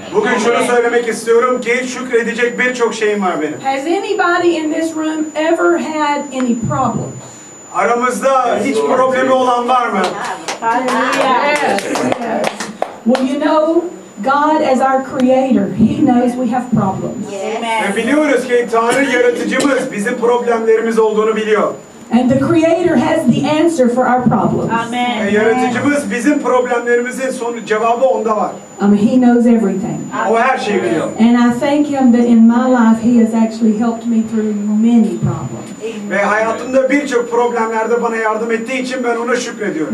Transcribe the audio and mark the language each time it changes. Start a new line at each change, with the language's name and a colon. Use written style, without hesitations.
Turkish: Bugün şunu söylemek istiyorum ki şükredecek birçok şeyim var benim.
English: Has anybody in this room ever had any problems?
Turkish: Aramızda hiç problemi olan var mı?
English: Well, you know, God as our creator, he knows we have problems.
Turkish: Ve biliyoruz ki Tanrı yaratıcımız bizim problemlerimiz olduğunu biliyor.
English: And the creator has the answer for our problems. Amen.
Turkish: Yaratıcımız bizim problemlerimizin sonu cevabı onda var.
English: He knows everything.
Turkish: O her şeyi biliyor.
English: And I thank him that in my life he has actually helped me through many problems.
Turkish: Ve hayatımda birçok problemlerde bana yardım ettiği için ben ona şükrediyorum.